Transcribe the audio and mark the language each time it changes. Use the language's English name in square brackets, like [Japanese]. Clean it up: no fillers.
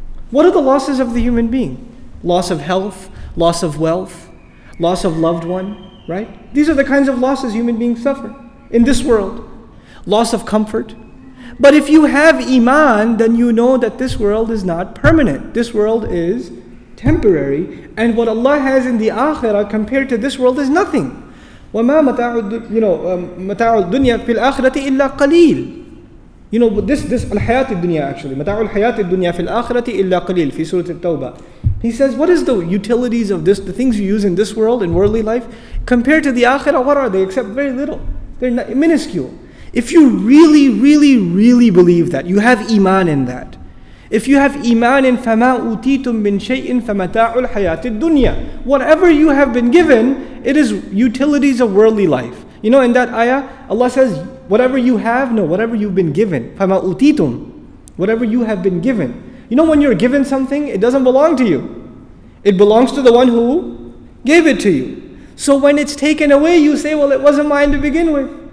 [English] What are the losses of the human being? Loss of health, loss of wealth, loss of loved one, right? These are the kinds of losses human beings suffer in this world. Loss of comfort. But if you have iman, then you know that this world is not permanent. This world is temporary, and what Allah has in the akhirah compared to this world is nothing. [Arabic] وَمَا مَتَعُ الدُّنْيَا فِي الْآخِرَةِ إِلَّا قَلِيلٌ. [English] You know, this [Arabic] الْحَيَاةِ الدُّنْيَا [English] actually. [Arabic] مَتَعُ الْحَيَاةِ الدُّنْيَا فِي الْآخِرَةِ إِلَّا قَلِيلٌ فِي سُورَةِ التَّوْبَةِ. [English] He says, what is the utilities of this, the things you use in this world, in worldly life, compared to the akhirah, what are they? Except very little. They're minuscule. If you really, really, really believe that, you have iman in that. If you have iman in [Arabic] فَمَا أُوتِيتُم مِّن شَيْءٍ فَمَتَاعُ الْحَيَاةِ الدُّنْيَا. [English] Whatever you have been given, it is utilities of worldly life. You know, in that ayah, Allah says, whatever you have, no, whatever you've been given. [Arabic] فَمَا أُوتِيتُم. [English] Whatever you have been given. You know, when you're given something, it doesn't belong to you. It belongs to the one who gave it to you. So when it's taken away, you say, well, it wasn't mine to begin with.